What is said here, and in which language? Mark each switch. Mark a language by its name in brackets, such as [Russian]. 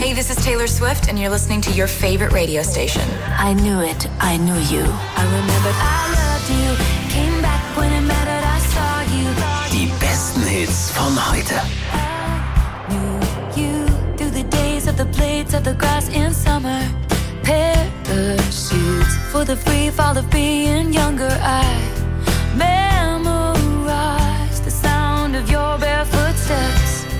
[English] Hey, this is Taylor Swift and you're listening to your favorite radio station. I knew it, I knew you. I remember I loved you. Came back when it mattered, I saw you. [German] Die besten Hits von heute. [English] I knew you through the days of the blades of the grass in summer. Parachutes for the free fall of being younger. I memorized the sound of your bare footsteps.